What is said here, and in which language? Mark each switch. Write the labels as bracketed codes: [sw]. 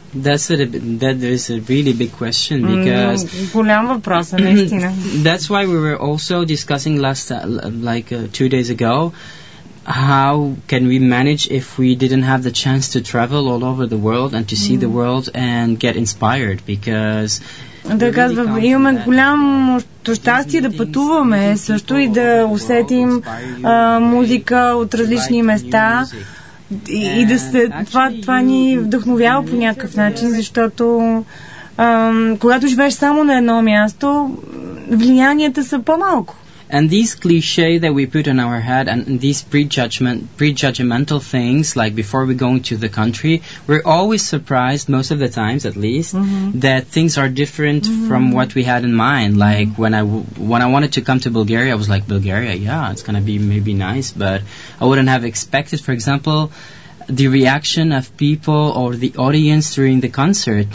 [en] That is a really big question because [bg] голям въпрос, наистина. [en] That's why we were also discussing last two days ago how can we manage if we didn't have the chance to travel all over the world and to see the world and get inspired because [bg] да казвам, имаме голямо щастие да пътуваме също и да усетим музика от различни места. И да се това ни вдъхновява по някакъв начин, защото когато живееш само на едно място, влиянията са по-малко. [en] And these cliché that we put in our head and these prejudgmental things, like before we go into the country, we're always surprised, most of the times at least, that things are different from what we had in mind. Like when I wanted to come to Bulgaria, I was like, Bulgaria, yeah, it's going to be maybe nice, but I wouldn't have expected, for example, the reaction of people or the audience during the concert.